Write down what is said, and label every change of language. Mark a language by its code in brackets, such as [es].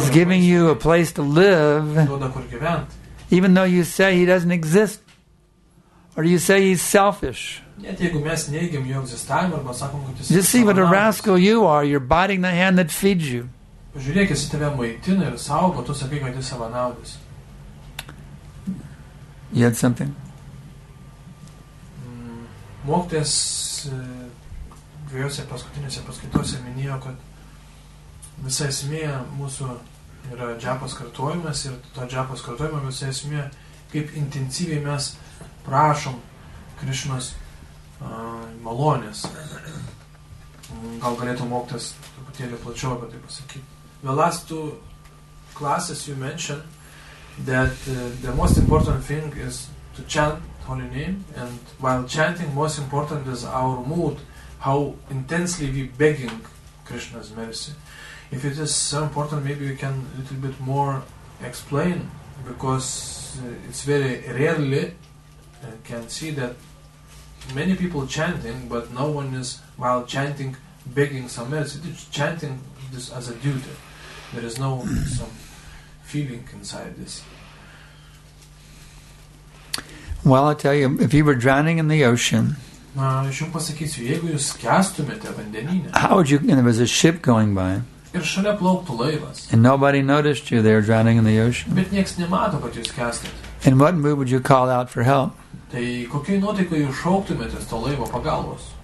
[en] He's giving you a place to live. [lt] Duoda kur gyvent. [en] Even though you say he doesn't exist, or you say he's selfish. [lt] Net jeigu mes neigiam jo egzistavimą arba sakom, kad jis. [en] Just see what a rascal you are. You're biting the hand that feeds you. [lt] Žiūrėk, jis tave maitina ir saugo, tu sakai, kad jis savanaudis. [en] You had something? [lt] Mokytojas dviejose paskutinėse paskaitose minėjo, kad visa esmė mūsų yra džiapos kartojimas ir to džiapos kartojimo visa esmė, kaip intensyviai mes prašom Krišnos malonės. Gal galėtų mokytojas truputėlį plačiau apie tai pasakyti. [en] The last two classes you mentioned that the most important thing is to chant holy name, and while chanting, most important is our mood, how intensely we begging Krishna's mercy. If it is so important, maybe you can a little bit more explain, because it's very rarely can see that many people chanting, but no one is while chanting begging some mercy. It's chanting this as a duty. There is no some feeling inside this. Well, I tell you, if you were drowning in the ocean, [lt] aš jums pasakysiu, jeigu jūs skęstumėte vandenyne, [en] how would you, and there was a ship going by, [lt] ir šalia plauktų laivas, [en] and nobody noticed you there drowning in the ocean, [lt] bet nieks nemato, kad jūs skęstate, [en] in what mood would you call out for help? [lt] Tai kokiu nuotaiku jūs šauktumėte to laivo pagalbos?